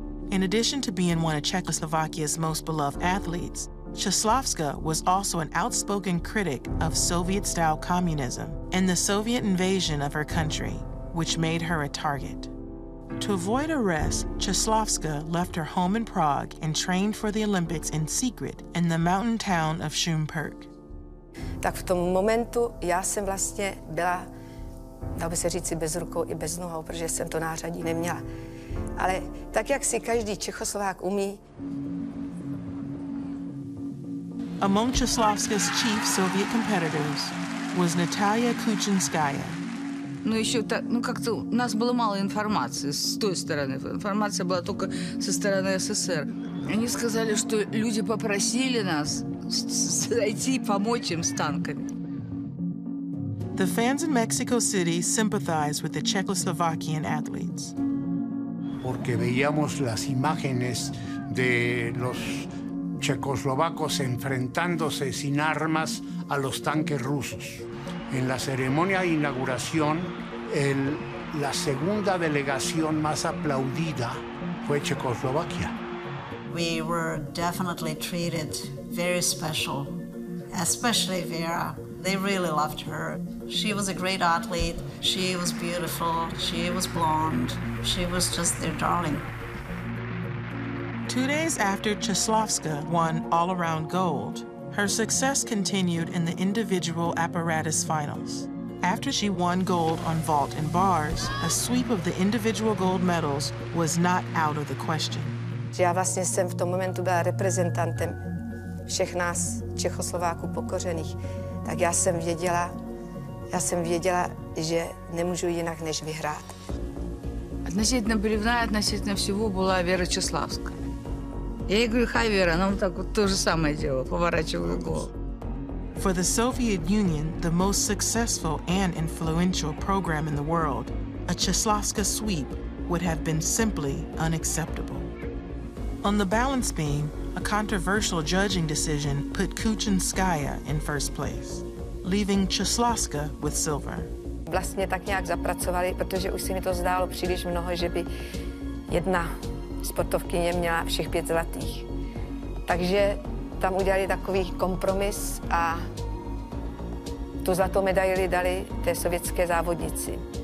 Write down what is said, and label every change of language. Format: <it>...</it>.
<en>In addition to being one of Czechoslovakia's most beloved athletes, Chaslovska was also an outspoken critic of Soviet-style communism and the Soviet invasion of her country, which made her a target. To avoid arrest, Chaslovska left her home in Prague and trained for the Olympics in secret in the mountain town of Šumperk.</en> <cs>Tak v tom momentu já jsem vlastně byla, dá by se říct, bez rukou i bez nohou, protože jsem to nářadí neměla. Ale tak, jak si každý Čechoslovák umí.</cs> <en>Among Chaslovska's chief Soviet competitors was Natalia Kuchinskaya.</en> <ru>Ну ещё так, ну как-то у нас было мало информации с той стороны. Информация была только со стороны СССР. Они сказали, что люди попросили нас зайти и помочь им с танками.</ru> <en>The fans in Mexico City sympathized with the Czechoslovakian athletes.</en> <es>Porque veíamos las imágenes de los checoslovacos enfrentándose sin armas a los tanques rusos. En la ceremonia de inauguración, la segunda delegación más aplaudida fue Checoslovaquia.</es> <en>We were definitely treated very special, especially Vera. They really loved her. She was a great athlete. She was beautiful. She was blonde. She was just their darling. 2 days after Chaslovska won all-around gold, her success continued in the individual apparatus finals. After she won gold on vault and bars, a sweep of the individual gold medals was not out of the question.</en> <cs>Já vlastně jsem v tom momentu byla reprezentantem všech nás Čechoslováků pokořených. Tak já jsem věděla, že nemůžu jinak než vyhrát. A</cs> <ru>Относительно приливная относительно всего была Вера Чеславская. Я ей говорю, хай, Вера, она вот так вот то же самое делала, поворачивала голову.</ru> <en>For the Soviet Union, the most successful and influential program in the world, a Chislovska sweep would have been simply unacceptable. On the balance beam, a controversial judging decision put Kuchinskaya in first place, leaving Chislovska with silver.</en> <cs>Vlastně tak nějak zapracovali, protože už se mi to zdálo příliš mnoho, že by jedna sportovkyně měla všech pět zlatých. Takže tam udělali takový kompromis a tu zlatou medaili dali té sovětské závodnici.</cs>